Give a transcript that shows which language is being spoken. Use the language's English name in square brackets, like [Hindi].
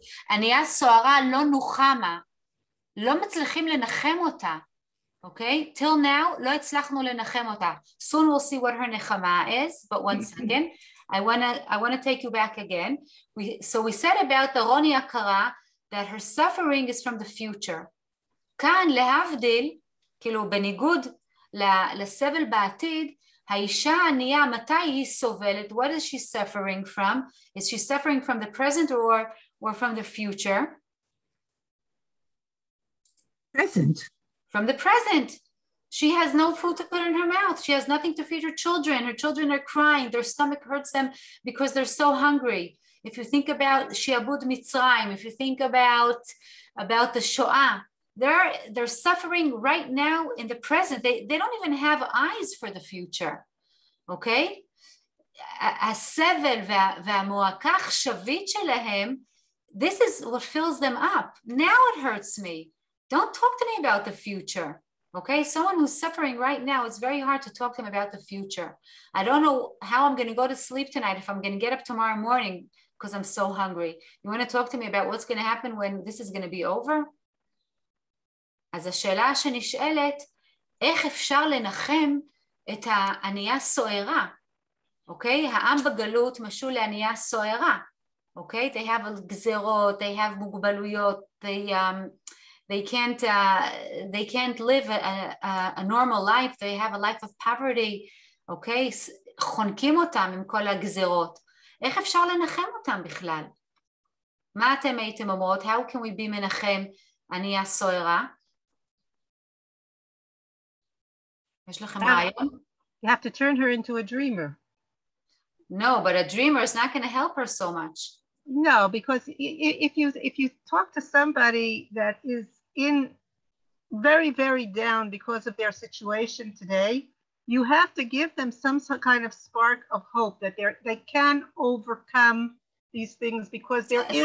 [Hebrew] אניה סוערה לא נוחמה, לא מצליחים לנחם אותה, אוקיי? [English] Till now, [Hebrew] לא הצלחנו לנחם אותה. [English] Soon we'll see what her נחמה is, but one second. I wanna take you back again. So we said about the רוני הקרה, that her suffering is from the future. [Hebrew] כאן להבדיל, כאילו בניגוד לסבל בעתיד, האישה הענייה, מתי היא סובלת? [English] What is she suffering from? Is she suffering from the present or from the future? Present. From the present. She has no food to put in her mouth. She has nothing to feed her children. Her children are crying. Their stomach hurts them because they're so hungry. If you think about Shiabud Mitzrayim, if you think about the Shoah, They're suffering right now in the present. They don't even have eyes for the future, okay? [Hebrew] הסבל והמועקח שווית שלהם, [English] this is what fills them up. Now it hurts me. Don't talk to me about the future, okay? Someone who's suffering right now, it's very hard to talk to them about the future. I don't know how I'm gonna go to sleep tonight if I'm gonna get up tomorrow morning because I'm so hungry. You wanna talk to me about what's gonna happen when this is gonna be over? [Hebrew] אז השאלה שנשאלת, איך אפשר לנחם את הענייה סוערה, אוקיי? העם בגלות משול לענייה סוערה, אוקיי? [English] They have גזרות, they have מוגבלויות, they can't live a normal life, they have a life of poverty, אוקיי? [Hebrew] חונקים אותם עם כל הגזרות. איך אפשר לנחם אותם בכלל? מה אתם הייתם אומרות? [English] How can we be [Hebrew] מנחם ענייה סוערה? יש לכם רעיון? [English] You have to turn her into a dreamer. No, but a dreamer is not going to help her so much. No, because if you talk to somebody that is in very, very down because of their situation today, you have to give them some kind of spark of hope that they can overcome these things because there is